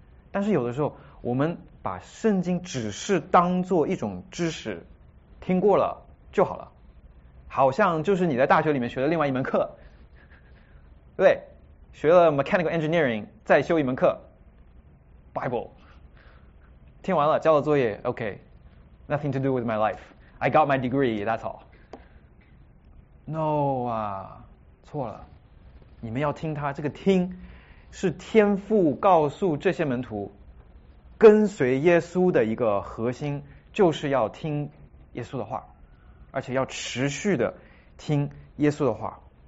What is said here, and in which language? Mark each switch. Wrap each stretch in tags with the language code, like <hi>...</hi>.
<zh>但是有的时候我们把圣经只是当做一种知识，听过了就好了，好像就是你在大学里面学了另外一门课，对，学了 mechanical engineering 再修一门课 Bible，听完了交了作业 OK，</zh> <en>nothing to do with my life. I got my degree, that's all.</en> <zh>No 啊，错了，你们要听他，这个听是天父告诉这些门徒，跟随耶稣的一个核心就是要听耶稣的话，而且要持续的听耶稣的话。</zh>